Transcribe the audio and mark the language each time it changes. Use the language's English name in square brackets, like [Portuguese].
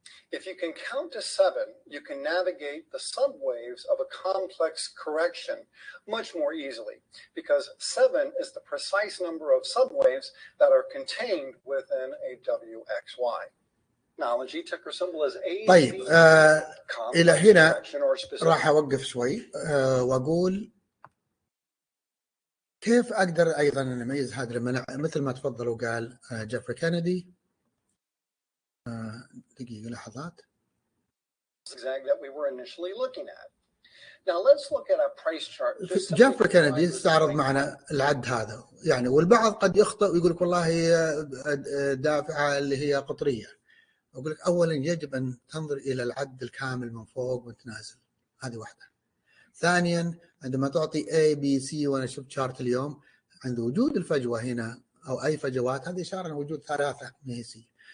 [English] If you can count to seven, you can navigate the subwaves of a complex correction much more easily, because seven is the precise number of subwaves that are contained within a WXY. Technology ticker symbol is A. [Arabic] طيب إلى هنا راح أوقف شوي وأقول كيف أقدر أيضا أميز هذا المنع مثل ما تفضل وقال جيفري كينيدي. دقيقة لحظات. [English] Zigzag that we were initially looking at. Now let's look at a price chart. [Arabic] جيفري كينيدي استعرض معنا العد هذا يعني والبعض قد يخطئ ويقول لك والله هي دافعة اللي هي قطرية. أقول لك أولا يجب أن تنظر إلى العد الكامل من فوق وتنازل هذه واحدة. ثانيا عندما تعطي A B C وأنا شوف شارت اليوم عند وجود الفجوة هنا أو أي فجوات هذه إشارة وجود ثلاثة ميسي.